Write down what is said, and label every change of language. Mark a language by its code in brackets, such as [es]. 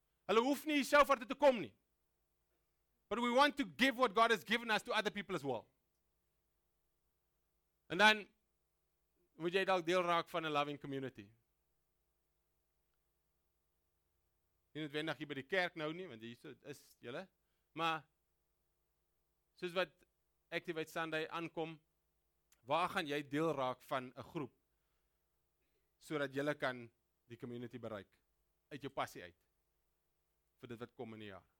[af] Hulle hoef nie self vir dit te kom nie. [en] But we want to give what God has given us to other people as well. And then [af] moet jy dalk deel raak van 'n [en] loving community. [af] Nie noodwendig hier by die kerk nou nie, want hier is julle. Maar soos wat Activate Sunday aankom, waar gaan jy deel raak van 'n groep sodat jy kan die community bereik uit jou passie uit vir dit wat kom in die jaar.